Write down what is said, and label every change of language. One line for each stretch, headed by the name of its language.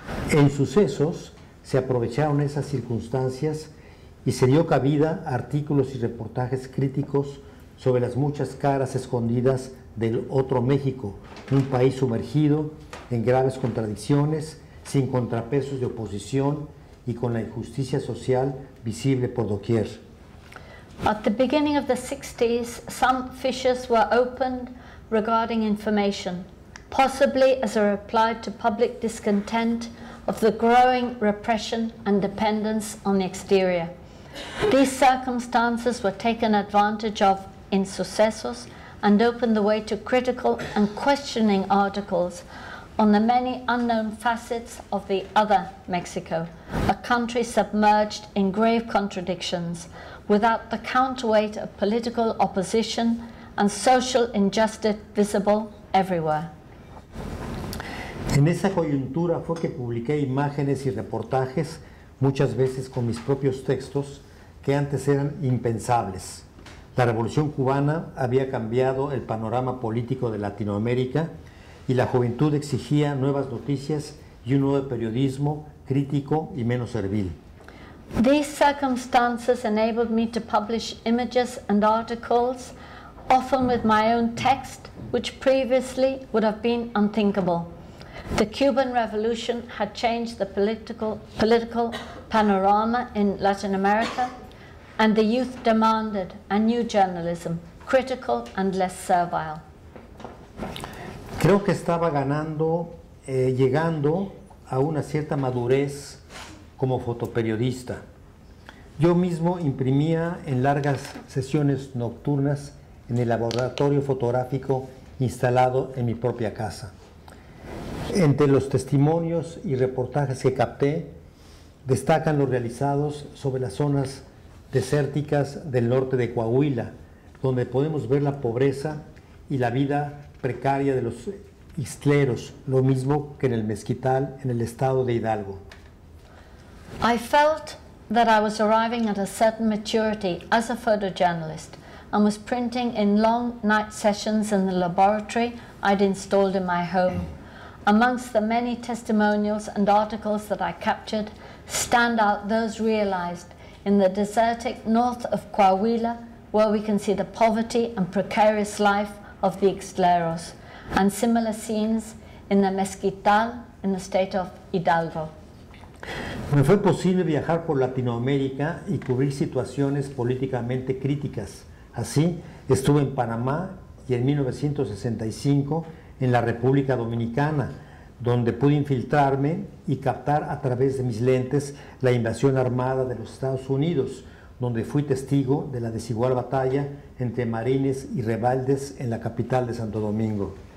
Spanish: En Sucesos se aprovecharon esas circunstancias y se dio cabida a artículos y reportajes críticos sobre las muchas caras escondidas del otro México, un país sumergido en graves contradicciones, sin contrapesos de oposición y con la injusticia social visible por doquier.
English: At the beginning of the 60s, some fissures were opened regarding information, possibly as a reply to public discontent of the growing repression and dependence on the exterior. These circumstances were taken advantage of in Sucesos and opened the way to critical and questioning articles on the many unknown facets of the other Mexico, a country submerged in grave contradictions, without the counterweight of political opposition and social injustice visible everywhere.
Spanish: En esa coyuntura fue que publiqué imágenes y reportajes, muchas veces con mis propios textos, que antes eran impensables. La Revolución Cubana había cambiado el panorama político de Latinoamérica y la juventud exigía nuevas noticias y un nuevo periodismo crítico y menos servil.
English: These circumstances enabled me to publish images and articles, often with my own text, which previously would have been unthinkable. The Cuban Revolution had changed the political panorama in Latin America, and the youth demanded a new journalism, critical and less servile.
Spanish: Creo que estaba ganando, llegando a una cierta madurez como fotoperiodista. Yo mismo imprimía en largas sesiones nocturnas en el laboratorio fotográfico instalado en mi propia casa. Entre los testimonios y reportajes que capté, destacan los realizados sobre las zonas desérticas del norte de Coahuila, donde podemos ver la pobreza y la vida precaria de los isleros, lo mismo que en el mezquital en el estado de Hidalgo.
English: I felt that I was arriving at a certain maturity as a photojournalist and was printing in long night sessions in the laboratory I'd installed in my home. Amongst the many testimonials and articles that I captured stand out those realized in the desertic north of Coahuila, where we can see the poverty and precarious life of the Ixtleros, and similar scenes in the Mezquital in the state of Hidalgo.
Spanish: Me fue posible viajar por Latinoamérica y cubrir situaciones políticamente críticas. Así, estuve en Panamá y en 1965 en la República Dominicana, donde pude infiltrarme y captar a través de mis lentes la invasión armada de los Estados Unidos, donde fui testigo de la desigual batalla entre marines y rebeldes en la capital de Santo Domingo.